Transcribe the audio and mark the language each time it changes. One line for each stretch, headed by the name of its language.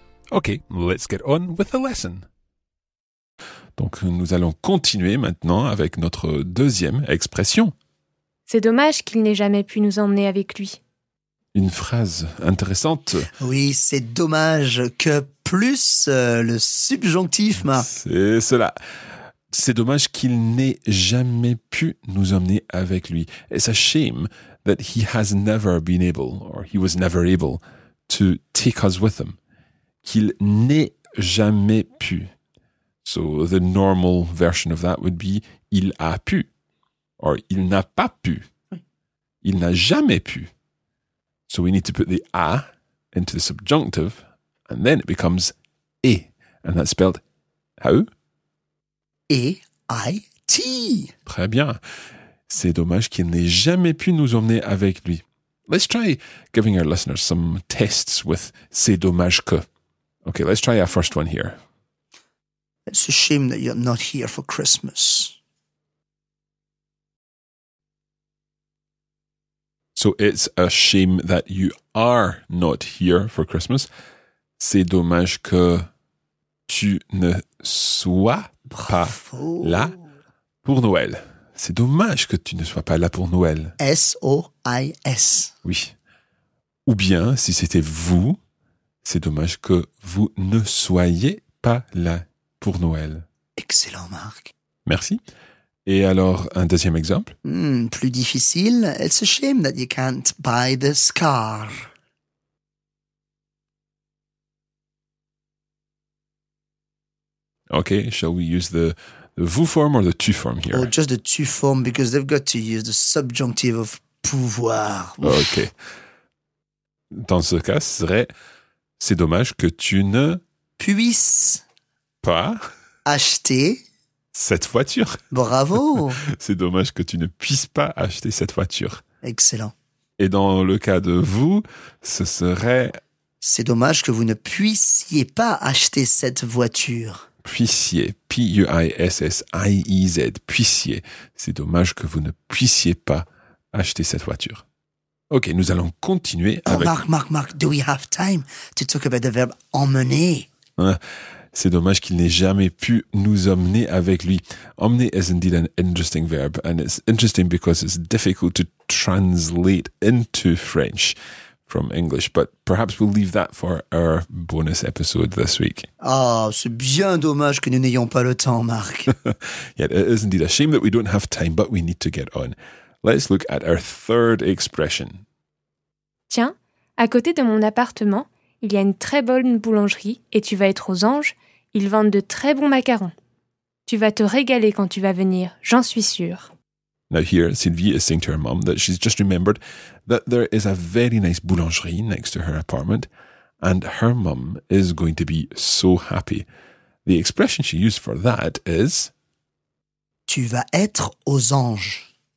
English: Okay, let's get on with the lesson.
French: Donc, nous allons continuer maintenant avec notre deuxième expression. C'est dommage qu'il n'ait jamais pu nous emmener avec lui. Une phrase intéressante. Oui, c'est dommage que plus le subjonctif, ma. C'est cela. C'est dommage qu'il n'ait jamais pu nous emmener avec lui.
English: It's a shame that he has never been able, or he was never able, to take us with him.
French: Qu'il n'ait jamais pu.
English: So the normal version of that would be
French: il a pu, or il n'a pas pu. Il n'a jamais pu.
English: So we need to put the a into the subjunctive, and then it becomes e, and that's spelled how?
French: E-I-T. Très bien. C'est dommage qu'il n'ait jamais pu nous emmener avec lui.
English: Let's try giving our listeners some tests with
French: c'est dommage que.
English: Okay, let's try our first one here. It's a shame that you're not here for Christmas. So it's a shame that you are not here for Christmas.
French: C'est dommage que tu ne sois pas là pour Noël. C'est dommage que tu ne sois pas là pour Noël. S-O-I-S. Oui. Ou bien, si c'était vous, c'est dommage que vous ne soyez pas là pour Noël. Excellent, Marc. Merci. Et alors, un deuxième exemple? Plus difficile.
English: It's a shame that you can't buy this car. Okay, shall we use the vous form or the tu form here? Oh, just the tu form, because they've got to use the subjonctive of pouvoir. Okay.
French: Dans ce cas, c'est dommage que tu ne puisses pas acheter cette voiture. Bravo. C'est dommage que tu ne puisses pas acheter cette voiture. Excellent. Et dans le cas de vous, ce serait... C'est dommage que vous ne puissiez pas acheter cette voiture. Puissiez. P-U-I-S-S-I-E-Z. Puissiez. C'est dommage que vous ne puissiez pas acheter cette voiture. Ok, nous allons continuer avec...
English: Marc, do we have time to talk about the verb emmener?
French: C'est dommage qu'il n'ait jamais pu nous emmener avec lui.
English: Emmener is indeed an interesting verb, and it's interesting because it's difficult to translate into French from English. But perhaps we'll leave that for our bonus episode this week.
French: Ah, oh, c'est bien dommage que nous n'ayons pas le temps, Marc.
English: Yeah, it is indeed a shame that we don't have time, but we need to get on. Let's look at our third expression.
French: Tiens, à côté de mon appartement, il y a une très bonne boulangerie et tu vas être aux anges. Ils vendent de très bons macarons. Tu vas te régaler quand tu vas venir, j'en suis sûre.
English: Now here, Sylvie is saying to her mom that she's just remembered that there is a very nice boulangerie next to her apartment, and her mom is going to be so happy. The expression she used for that is...
French: Tu vas être aux anges.